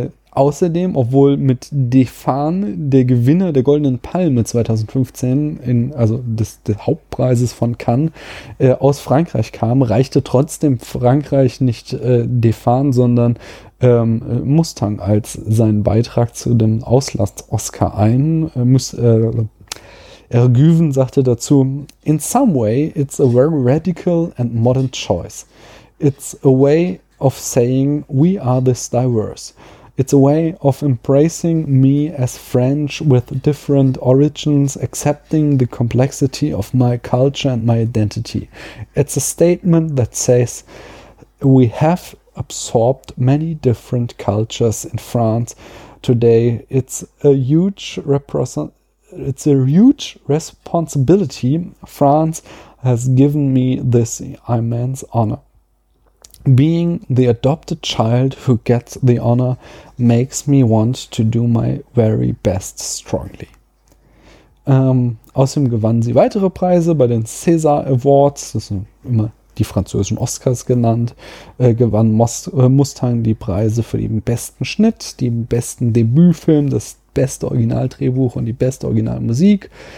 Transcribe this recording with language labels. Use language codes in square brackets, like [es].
[de] Außerdem, obwohl mit Defan der Gewinner der Goldenen Palme 2015, des Hauptpreises von Cannes, aus Frankreich kam, reichte trotzdem Frankreich nicht Defan, sondern Mustang als seinen Beitrag zu dem Auslast-Oscar ein. Ergüven sagte dazu, [en] in some way it's a very radical and modern choice. It's a way of saying we are this diverse. It's a way of embracing me as French with different origins, accepting the complexity of my culture and my identity. It's a statement that says we have absorbed many different cultures in France today. It's a huge responsibility. France has given me this immense honor. Being the adopted child who gets the honor makes me want to do my very best strongly. [de] Außerdem gewann sie weitere Preise bei den César Awards, das sind immer die französischen Oscars genannt, gewann Mustang die Preise für den besten Schnitt, den besten Debütfilm, das beste Originaldrehbuch und die beste Originalmusik.